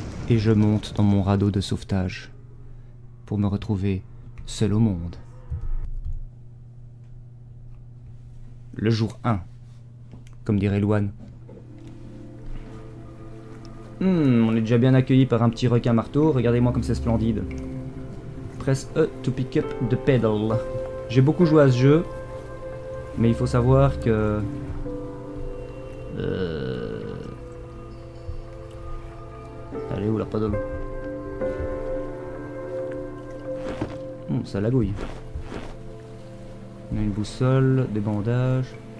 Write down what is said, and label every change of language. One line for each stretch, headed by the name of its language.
French: Et je monte dans mon radeau de sauvetage pour me retrouver seul au monde. Le jour 1, comme dirait Louane. On est déjà bien accueilli par un petit requin marteau. Regardez-moi comme c'est splendide.
English: Press E to pick up the paddle.
French: J'ai beaucoup joué à ce jeu, mais il faut savoir que... Elle est où la paddle? Ça lagouille. On a une boussole, des bandages.